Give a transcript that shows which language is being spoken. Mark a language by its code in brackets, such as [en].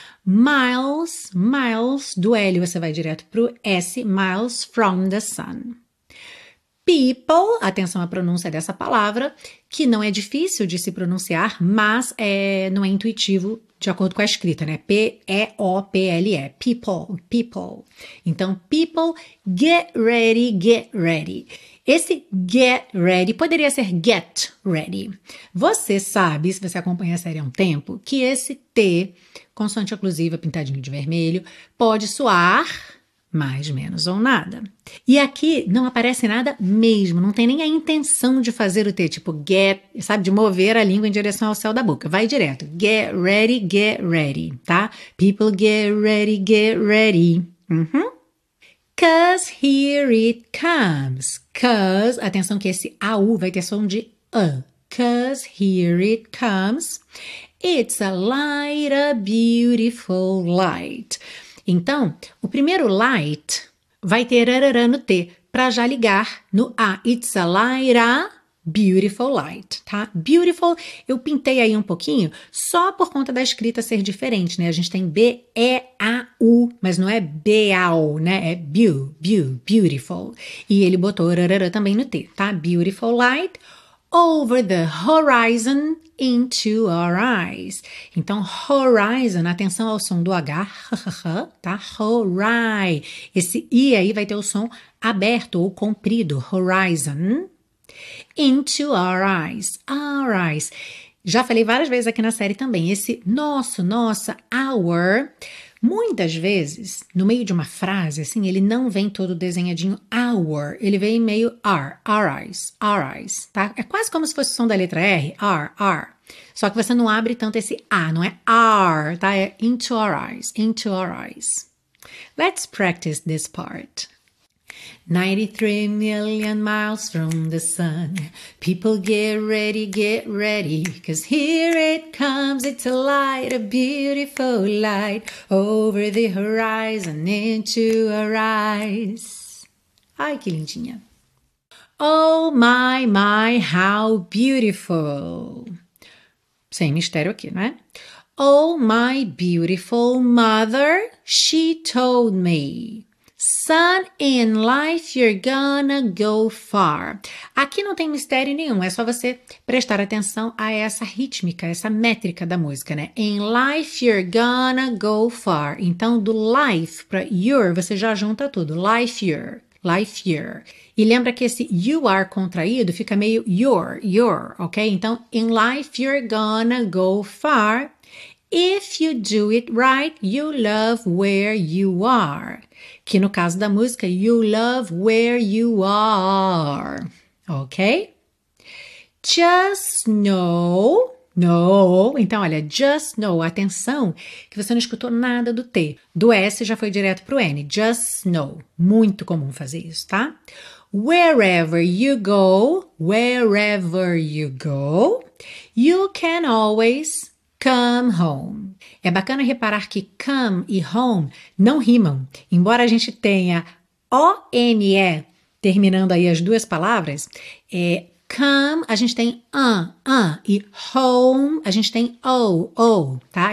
[pt] Miles, miles, do L você vai direto para o S, [en] miles from the sun. [pt] People, atenção à pronúncia dessa palavra, que não é difícil de se pronunciar, mas não é intuitivo de acordo com a escrita, né? [en] P-E-O-P-L-E, people, people. Então, people, get ready, get ready. [pt] Esse [en] get ready [pt] poderia ser get ready. Você sabe, se você acompanha a série há um tempo, que esse T, consoante oclusiva, pintadinho de vermelho, pode soar mais, menos ou nada. E aqui não aparece nada mesmo, não tem nem a intenção de fazer o T, tipo get, sabe, de mover a língua em direção ao céu da boca. Vai direto. [en] Get ready, tá? People get ready. Cause here it comes. [pt] Cause, atenção que esse AU vai ter som de A. [en] Cause here it comes. It's a light, a beautiful light. [pt] Então, o primeiro light vai ter rarara no T, para já ligar no A. [en] It's a light, a beautiful light, tá? [pt] Beautiful, eu pintei aí um pouquinho, só por conta da escrita ser diferente, né? A gente tem B-E-A-U, mas não é B-A-U, né? É beautiful. E ele botou rarara também no T, tá? [en] Beautiful light. Over the horizon into our eyes. [pt] Então, horizon, atenção ao som do H, tá? Horai. Esse I aí vai ter o som aberto ou comprido. [en] Horizon into our eyes. Our eyes. [pt] Já falei várias vezes aqui na série também. Esse nosso, nossa, our. Muitas vezes, no meio de uma frase, assim, ele não vem todo desenhadinho our, ele vem meio [en] our eyes, [pt] tá? É quase como se fosse o som da letra R, our. Só que você não abre tanto esse A, não é our, tá? [en] É into our eyes, into our eyes. Let's practice this part. 93 million miles from the sun. People get ready, cause here it comes, it's a light, a beautiful light, over the horizon into our eyes. [pt] Ai, que lindinha. [en] Oh my, my, how beautiful. [pt] Sem mistério aqui, né? [en] Oh my beautiful mother, she told me. Son, in life you're gonna go far. [pt] Aqui não tem mistério nenhum, é só você prestar atenção a essa rítmica, essa métrica da música, né? [en] In life you're gonna go far. Então, do life para your, [pt] você já junta tudo. [en] Life your, life your. E lembra que esse you are contraído fica meio your, your, ok? Então, in life you're gonna go far. If you do it right, you love where you are. [pt] Que no caso da música, [en] you love where you are. [pt] Ok? [en] Just know, know. Então, olha, just know. [pt] Atenção que você não escutou nada do T. Do S já foi direto pro N. Just know. Muito comum fazer isso, tá? [en] Wherever you go, wherever you go, you can always come home. [pt] É bacana reparar que come e home não rimam. Embora a gente tenha O-N-E terminando aí as duas palavras, é come a gente tem an, e home a gente tem o, tá?